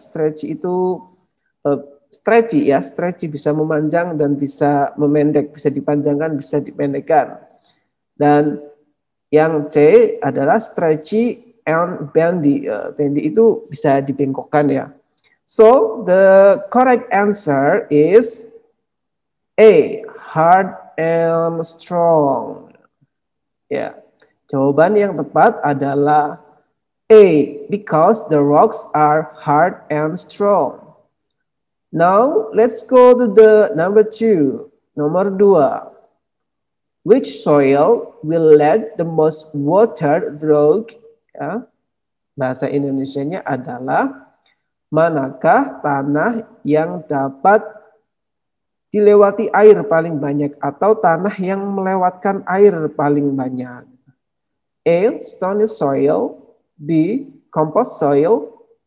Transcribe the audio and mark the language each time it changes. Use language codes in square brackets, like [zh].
[id] Stretchy itu stretchy ya, stretchy bisa memanjang dan bisa memendek, bisa dipanjangkan, bisa dipendekkan. Dan yang C adalah stretchy and bendy. Bendy itu bisa dibengkokkan ya. [en] So the correct answer is A, hard and strong. Ya, yeah. [id] Jawaban yang tepat adalah A, [en] because the rocks are hard and strong. Now, let's go to the number two. [id] Nomor dua. [en] Which soil will let the most water through? [id] Ya, bahasa Indonesianya adalah manakah tanah yang dapat dilewati air paling banyak atau tanah yang melewatkan air paling banyak? [en] A, stony soil. B, compost soil.